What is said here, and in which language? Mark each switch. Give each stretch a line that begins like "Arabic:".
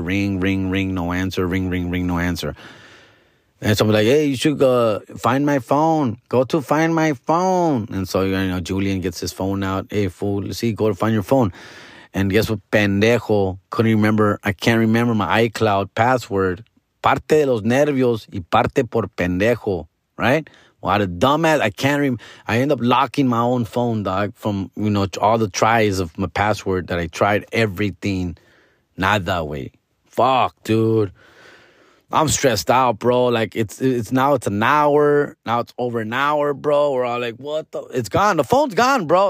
English: Ring, ring, ring, no answer. Ring, ring, ring, no answer. And so I'm like, hey, you should go find my phone. Go to find my phone. And so, you know, Julian gets his phone out. Hey, fool, let's see, go to find your phone. And guess what, pendejo, I can't remember my iCloud password.
Spanish: Parte de los nervios y parte por pendejo, right?
English: What a dumbass, I end up locking my own phone, dog, from, you know, all the tries of my password that I tried everything. Not that way. Fuck, dude. I'm stressed out, bro. Like, it's over an hour, bro. We're all like, what the? It's gone. The phone's gone, bro.